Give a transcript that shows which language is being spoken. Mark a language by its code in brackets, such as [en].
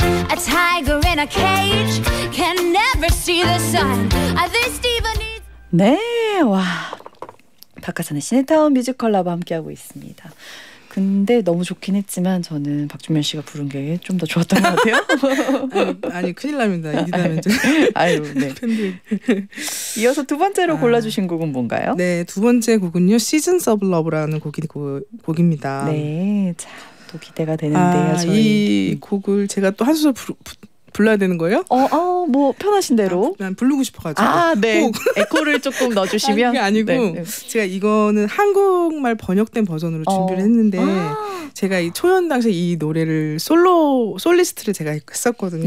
[en] A tiger in a cage can never see the sun. This diva needs. [ko] 네, 와. 박하선의 시네타운 뮤지컬러와 함께하고 있습니다. 근데 너무 좋긴 했지만 저는 박준면 씨가 부른 게 좀 더 좋았던 것 같아요. 아니 큰일 납니다. 이디나면 좀. 아유, 네. 이어서 두 번째로 골라주신 곡은 뭔가요? 네, 두 번째 곡은요. Seasons of Love라는 곡입니다. 네, 자, 또 기대가 되는데요. 아, 이 곡을 제가 또 한 소절 불러야 되는 거예요? 뭐 편하신 대로. 난 부르고 싶어가지고. 아, 네. 에코를 조금 넣어주시면. 그게 아니고 네. 제가 이거는 한국말 번역된 버전으로 준비를 했는데 제가 이 초연 당시에 이 노래를 솔리스트를 제가 했었거든요.